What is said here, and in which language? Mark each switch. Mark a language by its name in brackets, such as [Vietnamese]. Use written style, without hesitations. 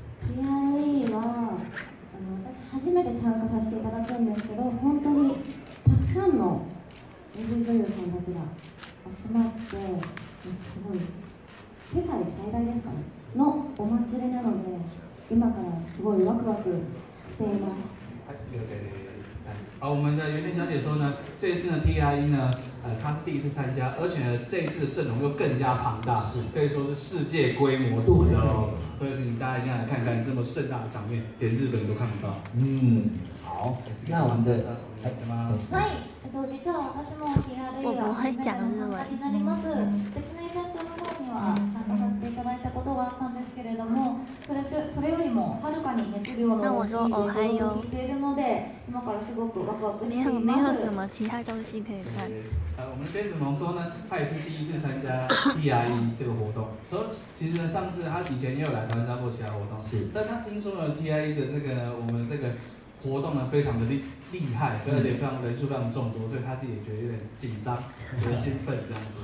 [Japanese] TRE は私初めて参加させていただくんですけど、本当にたくさんの AV女優さんたちが集まって、すごい世界最大ですかね、のお祭りなので、今からすごいワクワクしています。はい、了解です。 [Chinese] 好，我们的袁田小姐说呢，这一次呢 TRE 呢，她是第一次参加，而且呢这一次的阵容又更加庞大，可以说是世界规模级的哦。所以请大家先来看看这么盛大的场面，连日本都看不到。嗯，好，那我们的来什么？ [Japanese] 是，実は私も TRE は初めての参加になります。別のイベントの方には参加させていただいたことはあったんですけれども、それよりもはるかに熱量の多いことを聞いているので、今からすごくワクワクしています。 [Chinese] 没有什么其他东西可以看。我们Daisy萌说呢，他也是第一次参加 TRE 这个活动。说其实呢，上次他以前也有来台湾参加过其他活动，是。但他听说了 TRE 的这个呢，我们这个。活动呢非常的厉害，而且非常人数非常众多，所以他自己也觉得有点紧张，有点兴奋这样子。